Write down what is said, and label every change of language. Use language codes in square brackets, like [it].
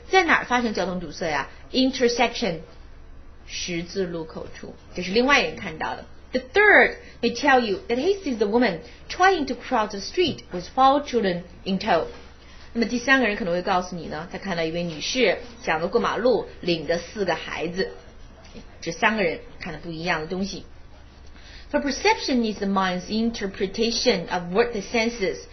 [zh] 在哪儿发生交通堵塞呀？ intersection， 十字路口处。这是另外一个人看到的。 [en] The third may tell you that he sees the woman trying to cross the street with four children in tow。 [zh] 那么第三个人可能会告诉你呢，他看到一位女士想着过马路，领着四个孩子。这三个人看的不一样的东西。 [en] For perception is the mind's interpretation of what the senses.